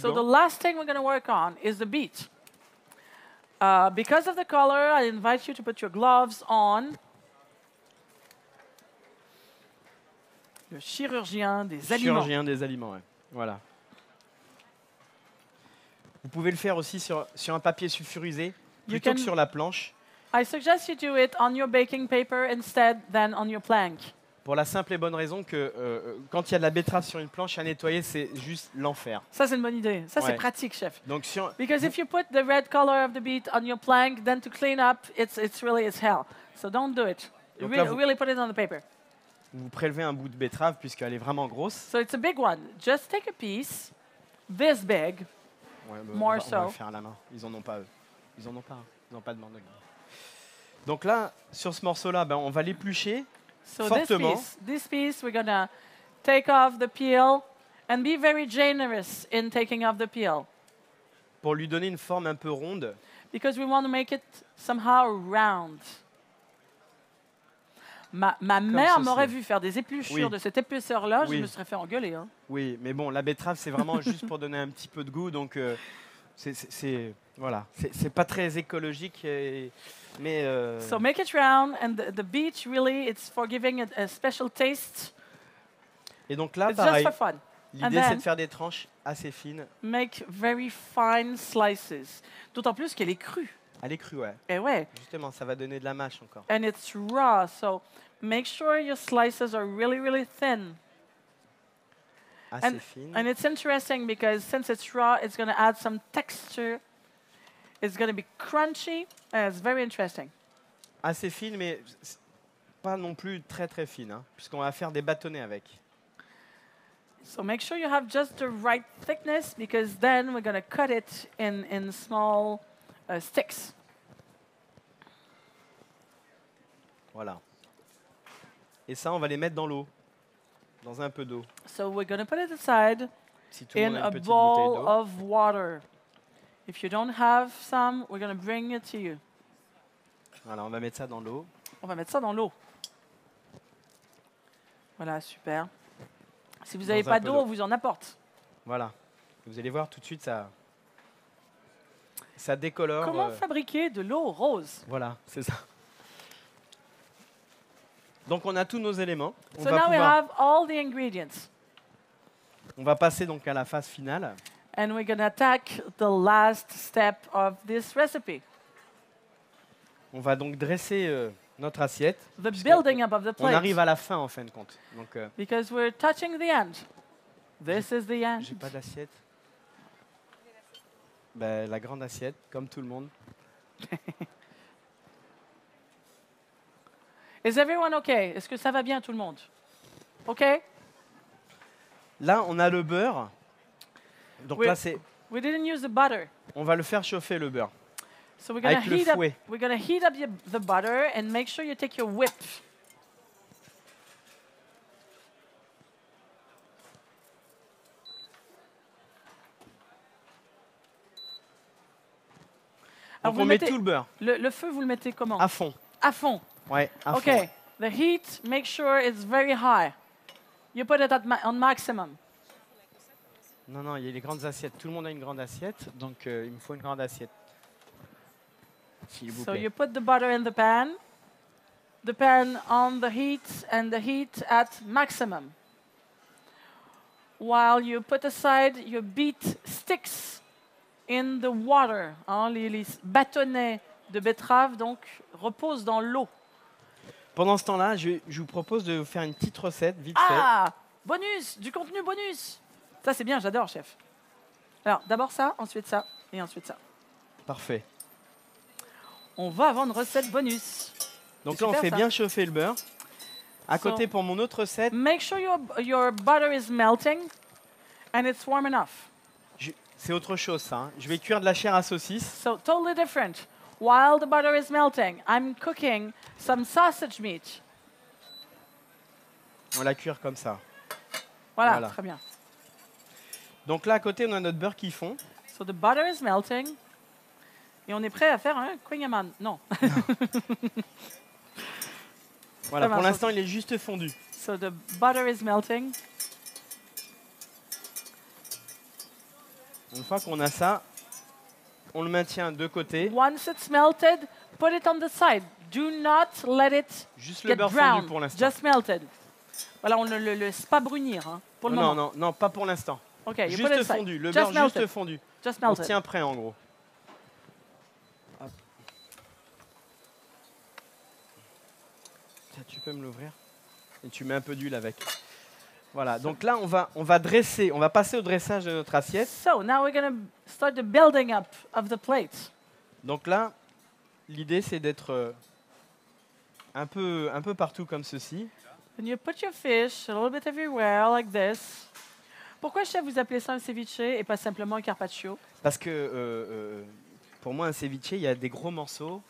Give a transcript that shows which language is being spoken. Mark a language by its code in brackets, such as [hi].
[fr] gants. [en] So the last thing we're going to work on is the beet. Because of the color, I invite you to put your gloves on. [fr] Le chirurgien des aliments. Chirurgien des aliments, oui. Voilà. Vous pouvez le faire aussi sur un papier sulfurisé plutôt que sur la planche. I suggest you do it on your baking paper instead than on your plank. Pour la simple et bonne raison que quand il y a de la betterave sur une planche à nettoyer, c'est juste l'enfer. Ça, c'est une bonne idée. Ça, c'est pratique, chef. Donc, si on... [en] Because if you put the red color of the beet on your plank, then to clean up, it's really hell. So don't do it. Really put it on the paper. [fr] Vous prélevez un bout de betterave puisqu'elle est vraiment grosse. [en] So it's a big one. Just take a piece, this big, [fr] ouais, [en] bah, more [fr] on va, [en] so. [fr] On va le faire à la main. Ils n'en ont pas, eux. Ils n'en ont pas. Ils n'ont pas de mandoline. Donc là, sur ce morceau-là, ben, on va l'éplucher. [en] So [fr] fortement. [en] this piece, we're gonna take off the peel and be very generous in taking off the peel. [fr] Pour lui donner une forme un peu ronde. [en] Because we want to make it somehow round. [fr] Ma mère m'aurait vu faire des épluchures de cette épaisseur-là, je me serais fait engueuler. Hein. Oui, mais bon, la betterave, c'est vraiment juste pour donner un petit peu de goût, donc c'est pas très écologique. Mais [en] So make it round, and the beet really, it's for giving it a special taste. [fr] Et donc là, [en] it's [fr] pareil, [en] just for fun. [fr] L'idée, c'est de faire des tranches assez fines. [en] Make very fine slices. [fr] D'autant plus qu'elle est crue. Elle est crue, ouais. Et ouais. Justement, ça va donner de la mâche encore. [en] And it's raw, so make sure your slices are really, really thin. [fr] Assez fine. [en] And it's interesting because since it's raw, it's going to add some texture. It's going to be crunchy. It's very interesting. [fr] Assez fine, mais pas non plus très, très fine, hein, puisqu'on va faire des bâtonnets avec. [en] So make sure you have just the right thickness because then we're going to cut it in small sticks. [fr] Voilà. Et ça, on va les mettre dans l'eau, dans un peu d'eau. [en] So we're going to put it aside in a bowl of water. If you don't have some, we're going to bring it to you. [fr] Voilà, on va mettre ça dans l'eau. On va mettre ça dans l'eau. Voilà, super. Si vous n'avez pas d'eau, on vous en apporte. Voilà. Vous allez voir tout de suite, ça décolore. Comment fabriquer de l'eau rose? Voilà, c'est ça. Donc, on a tous nos éléments. [en] So now we have all the ingredients. [fr] On va passer donc à la phase finale. [en] And we're going to attack the last step of this recipe. [fr] On va donc dresser notre assiette. [en] The building up of the plate. [fr] On arrive à la fin, en fin de compte. Donc, [en] because we're touching the end. This is the end. [fr] J'ai pas d'assiette. Ben, la grande assiette, comme tout le monde. [en] Is everyone okay? [fr] Est-ce que ça va bien, tout le monde? [en] Okay? [fr] Là, on a le beurre. Donc là, c'est... [en] We didn't use the butter. [fr] On va le faire chauffer, le beurre. [en] So we're gonna [fr] avec [en] heat [fr] le fouet. [en] Up, we're going to heat up the butter and make sure you take your whip. [fr] Donc on met tout le beurre. Le feu, vous le mettez comment? À fond. À fond. Ouais, à [en] okay. [fr] fond. [en] OK. The heat, make sure it's very high. You put it at on maximum. [fr] Non, non, il y a les grandes assiettes. Tout le monde a une grande assiette, donc il me faut une grande assiette. [en] So you put the butter in the pan on the heat and the heat at maximum. While you put aside your beet sticks in the water, [fr] hein, les bâtonnets de betterave donc reposent dans l'eau. Pendant ce temps-là, je vous propose de vous faire une petite recette vite fait. Ah, bonus, du contenu bonus. Ça c'est bien, j'adore, chef. Alors d'abord ça, ensuite ça et ensuite ça. Parfait. On va avoir une recette bonus. Donc là, on fait bien chauffer le beurre. À côté pour mon autre recette. [en] Make sure your butter is melting and it's warm enough. [fr] C'est autre chose, ça. Hein. Je vais cuire de la chair à saucisse. [en] So totally different. While the butter is melting, I'm cooking some sausage meat. [fr] On la cuire comme ça. Voilà, voilà, très bien. Donc là, à côté, on a notre beurre qui fond. [en] So the butter is melting. [fr] Et on est prêt à faire un kouign-amann. Non. Voilà, pour l'instant, il est juste fondu. [en] So the butter is melting. [fr] Une fois qu'on a ça, on le maintient de côté. [en] Once it's melted, put it on the side. Do not let it get brown. [fr] Juste le beurre fondu pour l'instant. [en] Just melted. [fr] Voilà, on ne le laisse pas brunir, hein, pour le moment. Non, non, non, pas pour l'instant. [en] OK, [fr] juste fondu, le beurre juste fondu. [en] Just melted. [fr] On tient prêt, en gros. Tiens, tu peux me l'ouvrir. Et tu mets un peu d'huile avec. Voilà, donc là, on va dresser, on va passer au dressage de notre assiette. [en] So, now we're going to start the building up of the plate. [fr] Donc là, l'idée, c'est d'être un peu partout comme ceci. [en] And you put your fish a little bit everywhere, like this. [fr] Pourquoi, chef, vous appelez ça un ceviche et pas simplement un carpaccio? Parce que pour moi, un ceviche, il y a des gros morceaux.